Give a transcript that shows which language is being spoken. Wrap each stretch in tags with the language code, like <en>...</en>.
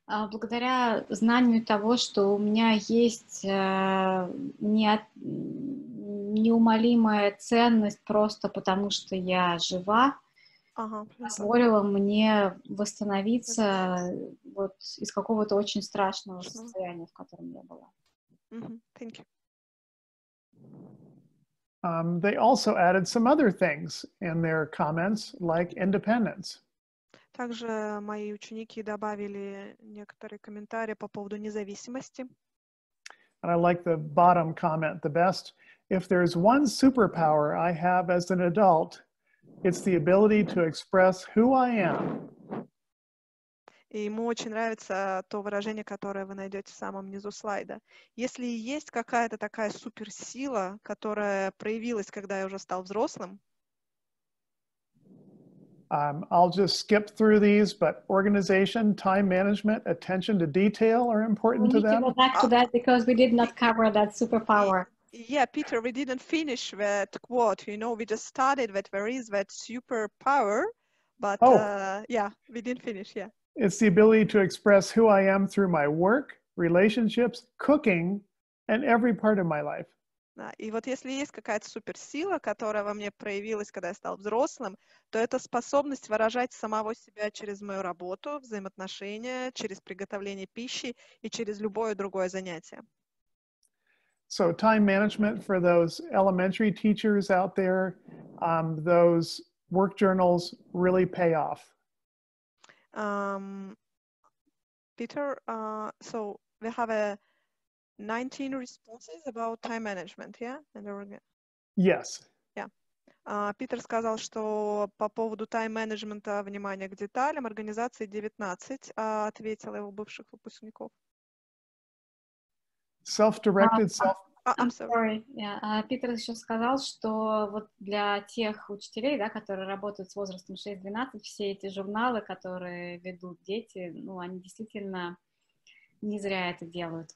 <ru>Благодаря знанию того, что у меня есть неумолимая ценность просто потому, что я жива, позволило мне восстановиться вот из какого-то очень страшного состояния, в котором я была.</ru> <en>Thank you. They also added some other things in their comments, like independence.</en> <ru>Также мои ученики добавили некоторые комментарии по поводу независимости.</ru> <en>And I like the bottom comment the best. If there is one superpower I have as an adult, it's the ability to express who I am.</en> <ru>И ему очень нравится то выражение, которое вы найдете в самом низу слайда. Если есть какая-то такая суперсила, которая проявилась, когда я уже стал взрослым.</ru> <en>I'll just skip through these, but organization, time management, attention to detail are important to them. We need to go back to that because we did not cover that superpower. Yeah, Peter, we didn't finish that quote. You know, we just started that there is that superpower, but we didn't finish, yeah. It's the ability to express who I am through my work, relationships, cooking, and every part of my life.</en> <ru>Да, и вот если есть какая-то суперсила, которая во мне проявилась, когда я стал взрослым, то это способность выражать самого себя через мою работу, взаимоотношения, через приготовление пищи и через любое другое занятие.</ru> <en>So time management for those elementary teachers out there, those work journals really pay off. Peter, so we have a 19 responses about time management, yeah? And we're... Yes.</en> <ru>Питер сказал, что по поводу тайм-менеджмента, внимание к деталям, организации 19, ответил его бывших выпускников.</ru> <en>Self-directed, self... I'm sorry.</en> <ru>Питер еще сказал, что вот для тех учителей, да, которые работают с возрастом 6-12, все эти журналы, которые ведут дети, ну, они действительно не зря это делают.</ru>